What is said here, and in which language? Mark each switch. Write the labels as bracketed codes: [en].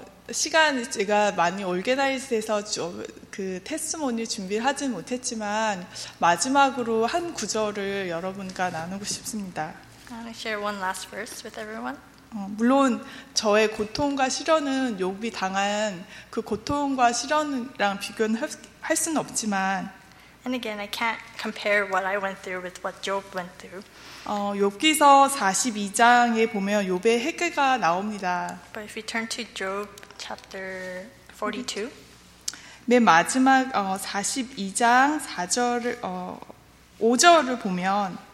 [ko] 시간 제가 많이 올게나이즈해서 그 테스모니 준비를 하진 못했지만 마지막으로 한 구절을 여러분과 나누고 싶습니다. [en] I want to share one last verse with everyone. [ko] 물론 저의 고통과 시련은 욥이 당한 그 고통과 시련이랑 비교할 수는 없지만 [en] And again, I can't compare what I went through with what Job went through. [ko] 욥기서 42장에 보면 욥의 해결가 나옵니다. [en] But if we turn to Job chapter 42. [ko] 맨 마지막 42장 4절을 5절을 보면